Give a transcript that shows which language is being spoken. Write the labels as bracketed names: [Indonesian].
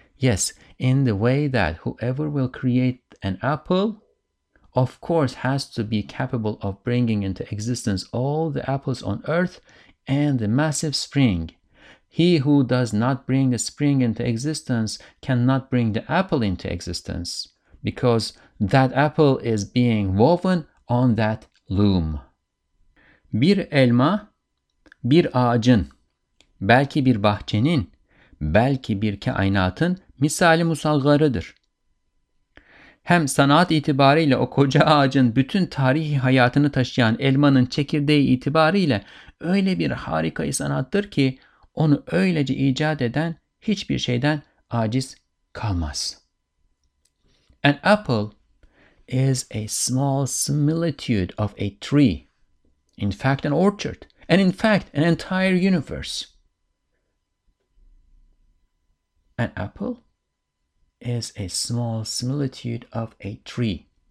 [English] Yes, in the way that whoever will create an apple, of course, has to be capable of bringing into existence all the apples on earth and the massive spring. He who does not bring the spring into existence cannot bring the apple into existence, because that apple is being woven on that loom. [Turkish] Bir elma, bir ağacın, belki bir bahçenin, belki bir kainatın misali musallarıdır. Hem sanat itibariyle o koca ağacın bütün tarihi hayatını taşıyan elmanın çekirdeği itibariyle öyle bir harika sanattır ki onu öylece icat eden hiçbir şeyden aciz kalmaz. [English] An apple is a small similitude of a tree, in fact an orchard, and in fact an entire universe. An apple is a small similitude of a tree.